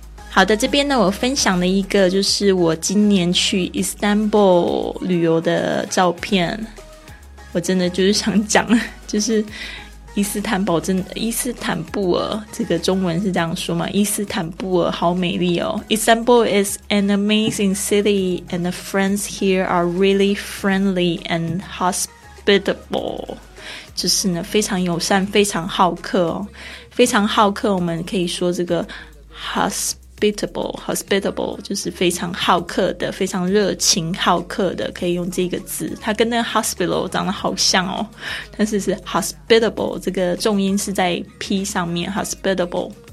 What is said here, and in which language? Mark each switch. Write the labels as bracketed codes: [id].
[zh] 好的，这边呢我分享了一个就是我今年去 Istanbul 旅游的照片，我真的就是想讲，就是伊斯坦布尔，这个中文是这样说吗？伊斯坦布尔好美丽哦。 [en] Istanbul is an amazing city and the friends here are really friendly and hospitable. [zh] 就是呢非常友善，非常好客哦，非常好客。我们可以说这个 hospitable 就是非常好客的，非常热情好客的，可以用这个字。它跟那个 hospital 长得好像哦，但是是 hospitable， 这个重音是在 p 上面， hospitable。